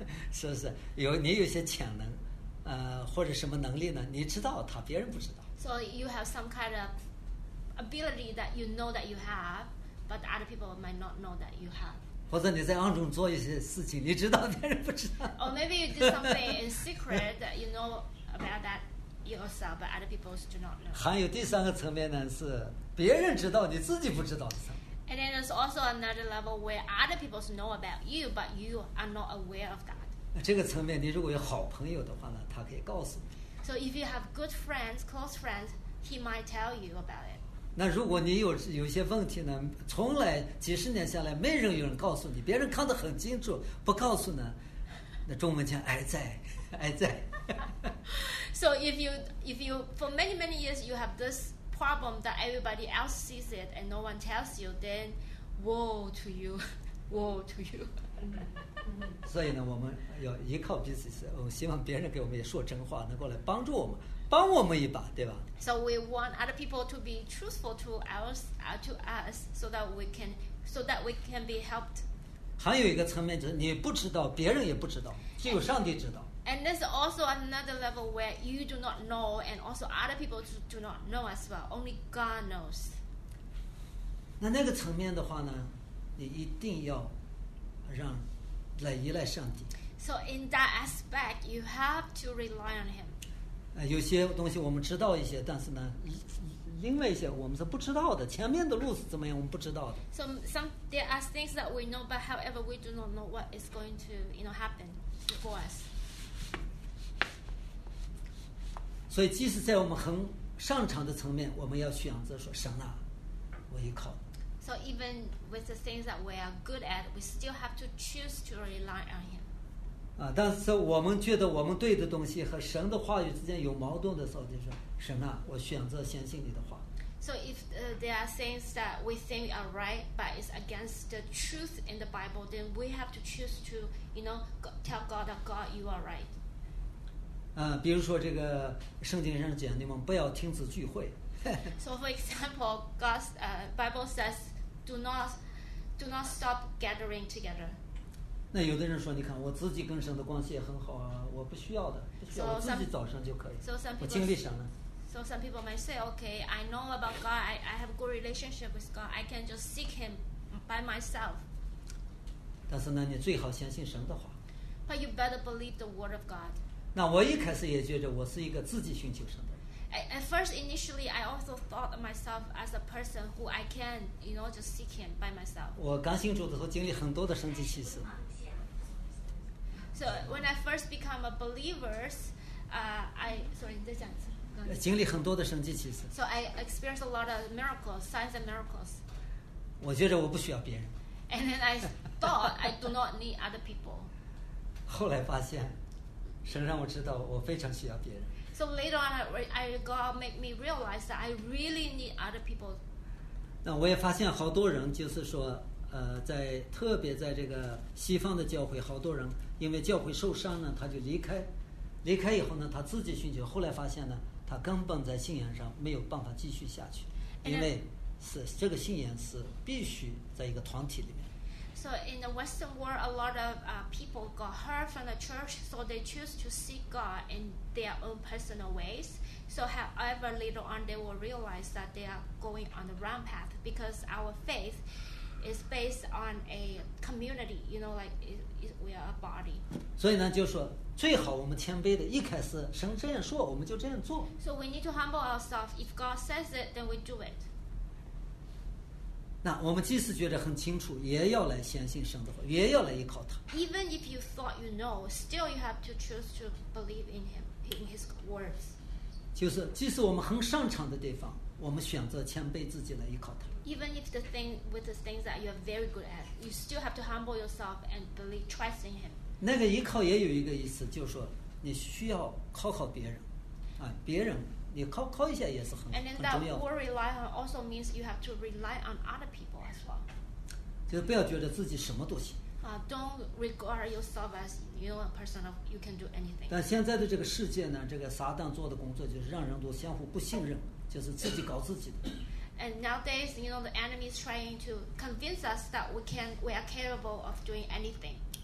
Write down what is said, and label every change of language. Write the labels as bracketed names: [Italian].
[Chinese] 是不是有你有些潜能，或者什么能力呢？你知道他，别人不知道。 [English] So you have some kind of ability that you know that you have, but the other people might not know that you have. [Chinese] 或者你在暗中做一些事情，你知道别人不知道。 [English] Or maybe you do something in secret that you know about that yourself, but other people do not know. [Chinese] 还有第三个层面呢，是别人知道你自己不知道的层面。 [English] And then there's also another level where other people know about you, but you are not aware of that. [Chinese] 这个层面，你如果有好朋友的话呢，他可以告诉你。 [English] So if you have good friends, close friends, he might tell you about it. [Chinese] 那如果你有些问题呢，从来几十年下来没人有人告诉你，别人看得很清楚不告诉呢，那中文叫挨在挨在。 [English] So if you for many years you have this problem that everybody else sees it and no one tells you, then woe to you, woe to you. [Chinese] 所以呢，我们要依靠彼此，我希望别人给我们也说真话，能够来帮助我们，帮我们一把，对吧？ [English] So we want other people to be truthful to us, so that we can be helped. [Chinese] 还有一个层面就是你不知道，别人也不知道，只有上帝知道。 [English] And there's also another level where you do not know, and also other people do not know as well. Only God knows. [Chinese] 那个层面的话呢，你一定要让来依赖上帝。 [English] So in that aspect, you have to rely on Him. [Chinese] 有些东西我们知道一些，但是呢，因为一些我们是不知道的，前面的路是怎么样，我们不知道的。 [English] So some there are things that we know, but however we do not know what is going to you know happen for us. [Chinese] 所以，即使在我们很擅长的层面，我们要选择说：“神啊，我依靠。” [English] So even with the things that we are good at, we still have to choose to rely on Him. [Chinese] 但是我们觉得我们对的东西和神的话语之间有矛盾的时候，就是神啊，我选择相信你的话。 [English] So if there are things that we think are right, but it's against the truth in the Bible, then we have to choose to, you know, tell God that God, you are right. [Chinese] 比如说这个圣经上讲，你们不要停止聚会。 [English] So for example, God's Bible says, do not stop gathering together. [Chinese] 那有的人说，你看我自己跟神的关系也很好啊，我不需要的，不需要，我自己早上就可以。我经历神了。 [English] So some people might say, okay, I know about God, I have a good relationship with God, I can just seek Him by myself. [Chinese] 但是呢，你最好相信神的话。 [English] But you better believe the word of God. [Chinese] 那我一开始也觉得我是一个自己寻求神的。 [English] At first, initially, I also thought of myself as a person who I can, you know, just seek Him by myself. [Chinese] 我刚信主的时候经历很多的神迹奇事。 [English] So when I first become a believer, I [Chinese] 经历很多的神迹奇事。 [English] So I experienced a lot of miracles, signs and miracles. [Chinese] 我觉得我不需要别人。 [English] And then I thought I do not need other people. [Chinese] 后来发现，神让我知道我非常需要别人。 [English] So later on, God made me realize that I really need other people. [Chinese] 那我也发现好多人就是说。在特别在这个西方的教会，好多人因为教会受伤呢，他就离开以后呢，他自己寻求，后来发现呢，他根本在信仰上没有办法继续下去，因为是这个信仰是必须在一个团体里面。 [English] So in the Western world, a lot of people got hurt from the church, so they choose to seek God in their own personal ways. So however, later on, they will realize that they are going on the wrong path because our faith. Is based on a community, you know, like we are a body. [Chinese] 所以呢，就说最好我们谦卑的，一开始神这样说，我们就这样做。 [English] So we need to humble ourselves. If God says it, then we do it. [Chinese] 那我们即使觉得很清楚，也要来相信神的话，也要来依靠他。 [English] Even if you thought you know, still you have to choose to believe in Him, in His words. [Chinese] 就是即使我们很擅长的地方，我们选择谦卑自己来依靠他。 [English] Even if the thing with the things that you are very good at, you still have to humble yourself and believe, trust in him. [Chinese] 那个依靠也有一个意思，就是说你需要靠靠别人，啊，别人你靠一下也是很重要。 [English] And that word rely on also means you have to rely on other people as well. [Chinese] 就不要觉得自己什么都行。 [English] Don't regard yourself as you know a person of you can do anything. [Chinese] 但现在的这个世界呢，这个撒旦做的工作就是让人都相互不信任，就是自己搞自己的。 [English] And nowadays, you know, the enemy is trying to convince us that we are capable of doing anything.